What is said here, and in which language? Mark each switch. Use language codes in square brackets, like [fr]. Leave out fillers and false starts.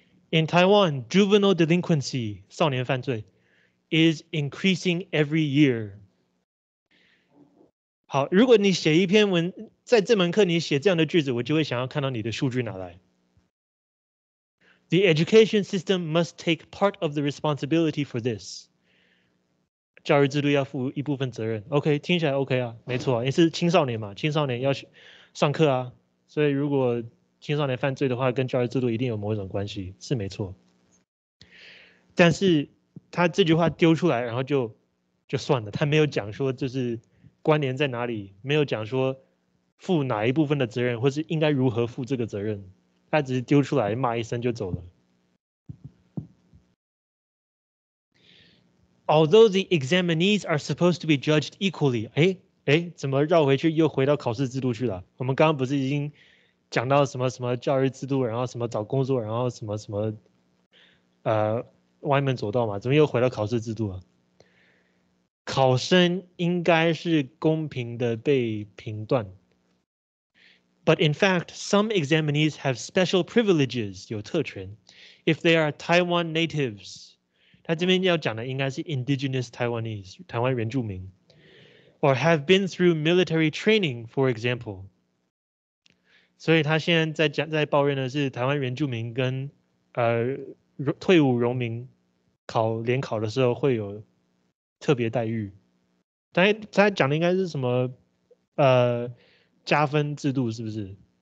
[en] In Taiwan, juvenile delinquency, [zh] 少年犯罪, [en] is increasing every year. [zh] 好，如果你写一篇文，在这门课你写这样的句子，我就会想要看到你的数据拿来。 [en] The education system must take part of the responsibility for this. [zh] 教育制度要负一部分责任。OK， 听起来 OK 啊，没错啊，也是青少年嘛，青少年要上课啊，所以如果青少年犯罪的话，跟教育制度一定有某种关系，是没错。但是他这句话丢出来，然后就算了，他没有讲说就是关联在哪里，没有讲说负哪一部分的责任，或是应该如何负这个责任，他只是丢出来骂一声就走了。 [en] Although the examinees are supposed to be judged equally， [zh] 怎么绕回去又回到考试制度去了？我们刚刚不是已经讲到什么什么教育制度，然后什么找工作，然后什么什么歪门左道嘛，怎么又回到考试制度了？考生应该是公平的被评断。 [en] But in fact, some examinees have special privileges, [zh] 有特权。 [en] If they are Taiwan natives, [zh] 他这边要讲的应该是 [en] indigenous Taiwanese, [zh] 台湾原住民。 [en] Or have been through military training, for example. [zh] 所以他现在在抱怨的是台湾原住民跟退伍荣民考联考的时候会有特别待遇，但他讲的应该是什么加分制度是不是？